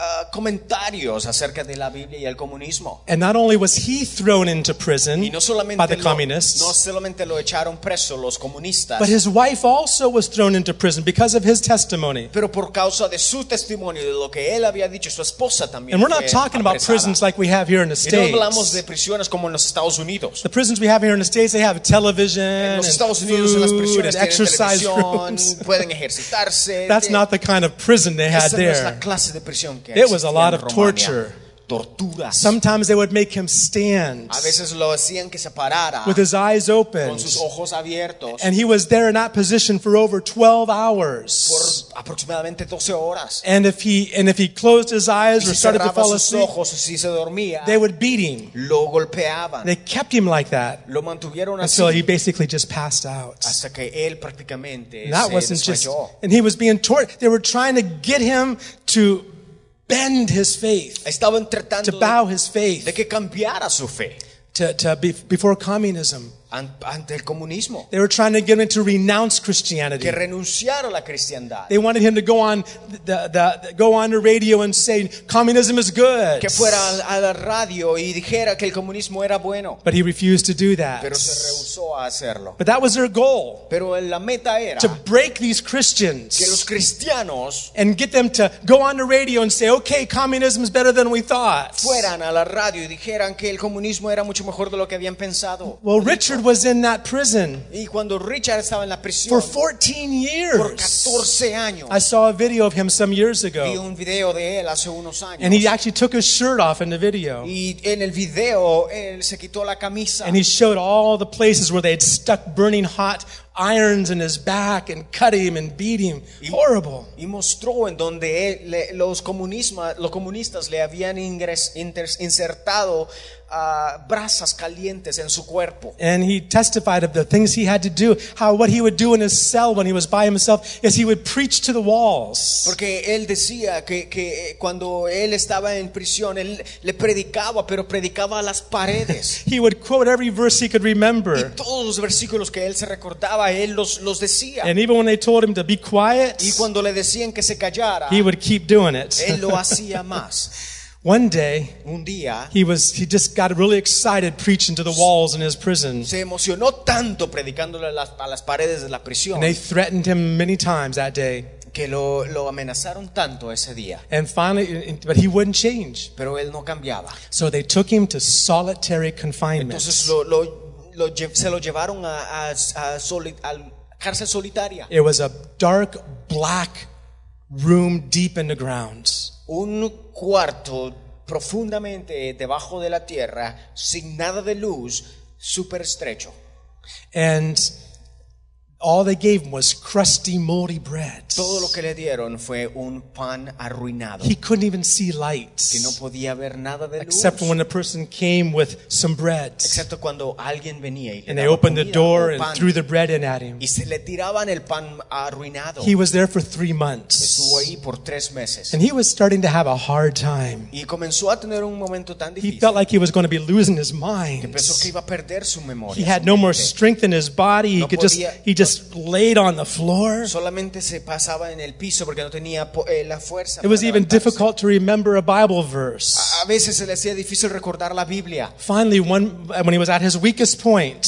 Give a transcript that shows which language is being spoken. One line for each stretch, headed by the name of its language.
Spanish: Comentarios acerca de la Biblia y el comunismo.
English: And not only was he thrown into prison
Spanish: y no solamente
English: by the communists,
Spanish: no solamente lo echaron preso los comunistas,
English: but his wife also was thrown into prison because of his testimony.
Spanish: Pero por causa de su testimonio, de lo que él había dicho, su esposa también.
English: And we're not talking
Spanish: apresada.
English: About prisons like we have here in the States.
Spanish: Y no hablamos de prisiones como en los Estados Unidos.
English: The prisons we have here in the States, they have television
Spanish: en los
English: and
Spanish: Estados
English: food
Spanish: Unidos, en las prisiones
English: and exercise rooms.
Spanish: Pueden ejercitarse.
English: That's not the kind of prison they had there.
Spanish: Esa no es la clase de prisión que
English: it was a lot of torture.
Spanish: Torturas.
English: Sometimes they would make him stand
Spanish: a veces lo hacían que se parara,
English: with his eyes open
Spanish: con sus ojos abiertos,
English: and he was there in that position for over 12 hours.
Spanish: Por aproximadamente 12 horas.
English: And if he closed his eyes
Spanish: si
English: or started to fall
Spanish: sus
English: asleep
Spanish: ojos, si se dormía,
English: they would beat him.
Spanish: Lo golpeaban.
English: They kept him like that
Spanish: lo mantuvieron
English: until
Spanish: así,
English: he basically just passed out.
Spanish: Hasta que él prácticamente
English: and that
Spanish: se
English: wasn't
Spanish: desmayó.
English: Just and he was being tortured. They were trying to get him to bend his faith.
Spanish: Estaban tratando
English: to bow his faith.
Spanish: De que cambiara su fe.
English: To before communism.
Spanish: ante el comunismo.
English: They were trying to get him to renounce Christianity.
Spanish: Que renunciar a la cristiandad.
English: They wanted him to go on the radio and say communism is good.
Spanish: Que fuera a la radio y dijera que el comunismo era bueno.
English: But he refused to do that.
Spanish: Pero se rehusó a hacerlo.
English: But that was their goal.
Spanish: Pero la meta era
English: to break these Christians.
Spanish: Que los cristianos
English: and get them to go on the radio and say, okay, communism is better than we thought.
Spanish: Fueran a la radio y dijeran que el comunismo era mucho mejor de lo que habían pensado.
English: Well, Richard was in that prison.
Spanish: Y cuando Richard estaba en la prisión,
English: for 14 years.
Spanish: Por 14 años,
English: I saw a video of him some years ago.
Spanish: Vi un video de él hace unos años,
English: and he actually took his shirt off in the video.
Spanish: Y en el video, él se quitó la camisa.
English: And he showed all the places where they had stuck burning hot irons in his back and cut him and beat him.
Spanish: Horrible. Y mostró en donde los comunistas le habían insertado brasas calientes en su cuerpo.
English: And he testified of the things he had to do, how what he would do in his cell when he was by himself is he would preach to the walls.
Spanish: Porque él decía que cuando él estaba en prisión él le predicaba, pero predicaba a las paredes.
English: He would quote every verse he could remember.
Spanish: Y todos los versículos que él se recordaba él los decía.
English: And even when they told him to be quiet,
Spanish: y cuando le decían que se callara,
English: he would keep doing it.
Spanish: Él lo hacía más.
English: One day,
Spanish: un día,
English: he just got really excited preaching to the walls in his prison.
Spanish: Se emocionó tanto predicándole a las paredes de la prisión.
English: And they threatened him many times that day.
Spanish: Que lo amenazaron tanto ese día.
English: And finally, but he wouldn't change.
Spanish: Pero él no cambiaba.
English: So they took him to solitary confinement.
Spanish: Entonces se lo llevaron a cárcel solitaria.
English: It was a dark, black room deep in the ground.
Spanish: Un cuarto profundamente debajo de la tierra, sin nada de luz, super estrecho.
English: And all they gave him was crusty, moldy bread.
Spanish: Todo lo que le dieron fue un pan arruinado.
English: He couldn't even see light.
Spanish: Que no podía ver nada de luz.
English: Except when a person came with some bread.
Spanish: Excepto cuando alguien venía y le daba.
English: And they opened the door and threw the bread in at him.
Spanish: Y se le tiraban el pan arruinado.
English: He was there for 3 months.
Spanish: Estuvo ahí por 3 meses.
English: And he was starting to have a hard time.
Spanish: Y comenzó a tener un momento tan difícil.
English: He felt like he was going to be losing his mind.
Spanish: Pensó que iba a perder su memoria.
English: He had no more strength in his body. He could just laid on the floor.
Spanish: Solamente se pasaba en el piso porque no tenía la fuerza.
English: It was even difficult to remember a Bible verse.
Spanish: A veces se le hacía difícil recordar la Biblia.
English: Finally, when he was at his weakest point,